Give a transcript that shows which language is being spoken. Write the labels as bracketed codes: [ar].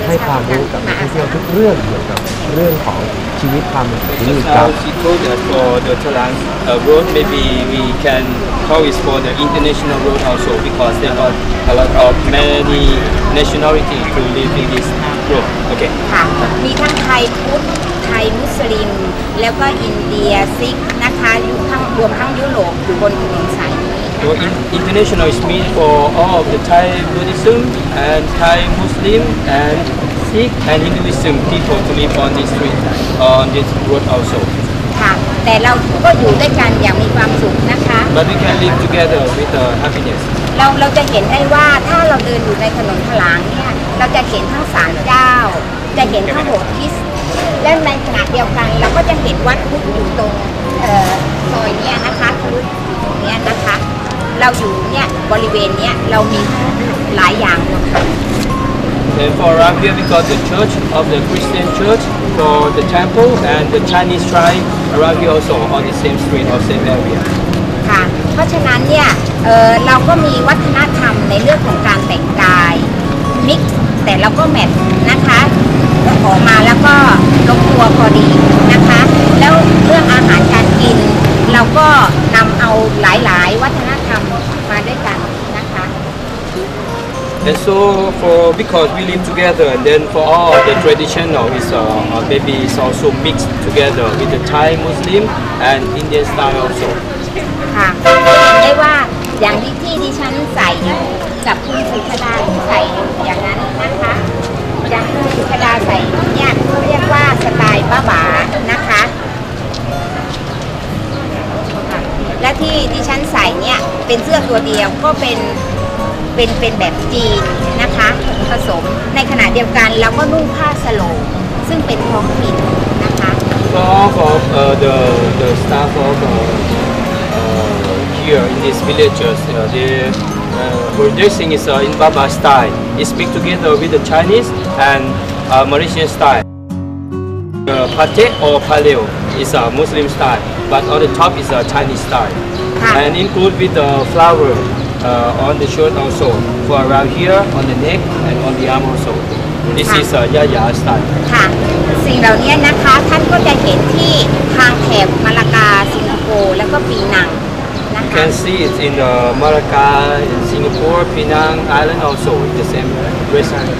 [th] ให้ความรู้กับเพื่อนๆทุกเรื่องเกี่ยวกับเรื่องของชีวิตความเป็นอยู่ที่นี่ครับ [en] For the Thailand road maybe we can call is for the international road also because there are a lot of many nationality to live in this road okay [th] ค่ะมีทั้งไทยพุทธไทยมุสลิมแล้วก็อินเดียซิกนะคะยุคทั้งรวมทั้งยุโรปอยู่บนถนนสายนี้ [en] So international is mean for all of the Thai Buddhism and Thai Muslim andand Hinduism people to live on this street, on this road also. But we can live together with happiness. [th] เราจะเห็นได้ว่าถ้าเราเดินอยู่ในถนนทลางเนี่ยเราจะเห็นทั้งศาลเจ้าจะเห็นทั้งโบสถ์คริสต์และในขณะเดียวกันเราก็จะเห็นวัดพุทธอยู่ตรงซอยนี้นะคะคือตรงนี้นะคะเราอยู่เนี่ยบริเวณเนี้ยเรามีหลายอย่าง [en] And for around here, we got the church of the Christian church, for the temple and the Chinese shrine around here also on the same street or same area. [th] ค่ะเพราะฉะนั้นเนี่ยเราก็มีวัฒนธรรมในเรื่องของการแต่งกายมิกซ์แต่เราก็แมทนะคะขอมาแล้วก็ลงตัวพอดีนะคะแล้วเรื่องอาหารการกินเราก็นำเอาหลายๆวัฒนธรรมมาด้วยกัน [en] And so for because we live together, and then for all the traditional is maybe is also mixed together with the Thai Muslim and Indian style also. [th] ค่ะได้ว่าอย่างที่ดิฉันใส่กับคุณสุขดาใส่อย่างนั้นนะคะอย่างคุณสุขดาใส่เนี่ยเขาเรียกว่าสไตล์บ้าบ๋านะคะและที่ดิฉันใส่เนี่ยเป็นเสื้อตัวเดียวก็เป็นแบบจีนนะคะผสมในขณะเดียวกันเราก็นุ่งผ้าสโลงซึ่งเป็นท้องถิ่นนะคะ [en] So for the staff of here in these villages they dressing is in Baba style is mixed together with the Chinese and Mauritian style the pate or paleo is a Muslim style but on the top is a Chinese style and include with the floweron the shirt also for around here on the neck and on the arm also this is a yaya style [th] ค่ะสิ่งเหล่านี้นะคะท่านก็จะเห็นที่ทางแถบมาลากาสิงคโปร์แล้วก็ปีนังนะคะ [en] can see it in the Malacca in Singapore Penang island also the same dressing